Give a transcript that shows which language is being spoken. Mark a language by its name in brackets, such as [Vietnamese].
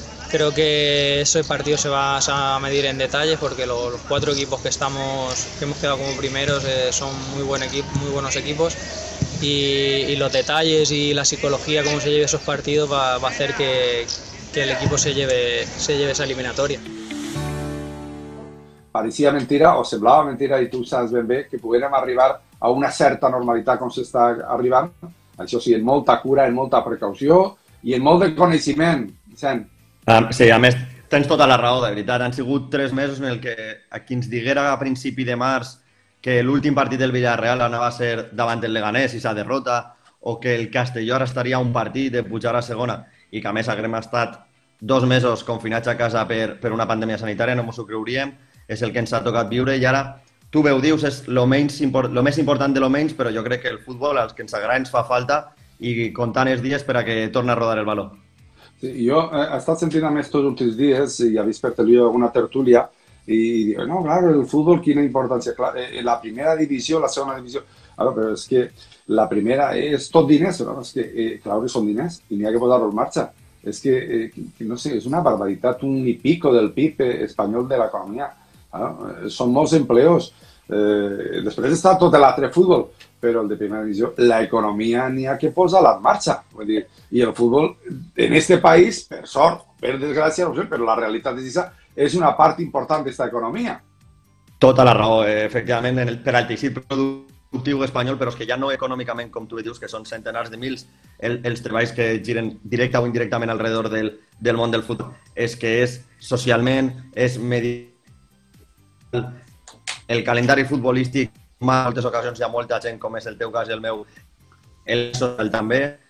[Spanish] Creo que ese partido se va a medir en detalles porque los 4 equipos que hemos quedado como primeros son muy buenos equipos. Y los detalles y la psicología, cómo se lleve esos partidos, va a hacer que el equipo se lleve esa eliminatoria. [Catalan] Parecía mentira, o semblava mentira, i tu saps ben bé, que poguérem arribar a una certa normalitat com s'està arribant. Això sí, en molta cura, en molta precaució i en molt de coneixement, Vicent. Sí, a més, tens tota la raó, de veritat. Han sigut 3 mesos en el que a qui ens diguera a principi de març que l'últim partit del Villarreal anava a ser davant del Leganés i s'ha derrota, o que el Castelló ara estaria a un partit de pujar a segona i que a més haguem estat 2 mesos confinats a casa per una pandèmia sanitària, no ens ho creuríem, és el que ens ha tocat viure i ara, tu bé ho dius, és lo més important de lo menys, però jo crec que el futbol, als que ens agrada, ens fa falta i comptant els dies per a que torni a rodar el baló. Sí, jo he estat sentint a més tots els últims dies i he vist per televisió alguna tertúlia. [Spanish] Y digo, no, claro, el fútbol tiene importancia. Claro, la primera división, la segunda división. Claro, pero es que la primera es todo dinero, ¿no? Es que, claro que son dinero y ni hay que ponerlo en marcha. Es que, no sé, es una barbaridad, un y pico del PIB español de la economía. ¿No? Son más empleos. Después está todo el otro fútbol, pero el de primera división, la economía ni hay que ponerla en marcha. Decir, y el fútbol en este país, [Catalan] per sort, [Spanish] per desgracia, no sé, pero la realidad es esa. [Catalan] És una part important d'aquesta economia. Tota la raó, efectivament, per al teixit productiu espanyol, però és que ja no econòmicament, com tu dius, que són centenars de mils els treballs que giren directe o indirectament alrededor del món del futbol, és que és socialment, és medial, el calendari futbolístic, en moltes ocasions hi ha molta gent, com és el teu cas i el meu, el social també.